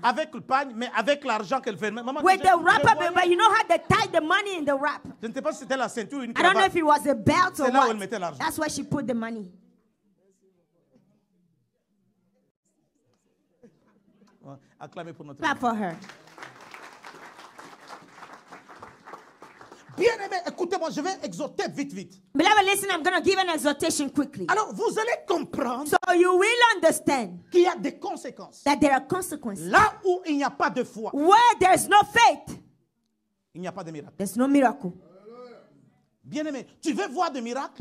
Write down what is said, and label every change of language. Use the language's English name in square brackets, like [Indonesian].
[French] Avec le pain, mais avec l'argent qu'elle venait. Maman, [English] with the wrapper, but you know how they tied the money in the wrap. [French] Je ne sais pas si c'était la ceinture ou une [English] cravate. I don't know if it was a belt [French] c'est [English] or what. [French] C'est là où elle mettait l'argent. [English] That's where she put the money. [French] Acclamez pour notre [English] clap vie. For her. [French] Bien aimé, écoutez-moi, je vais exhorter vite. [English] Beloved, listen, I'm going to give an exhortation quickly. [French] Alors, vous allez comprendre. [English] So you will understand. [French] Qu'il y a des conséquences. [English] That there are consequences. [French] Là où il n'y a pas de foi. [English] Where there's no faith. [French] Il n'y a pas de miracle. [English] There's no miracle. [French] Bien aimé, tu veux voir des miracles?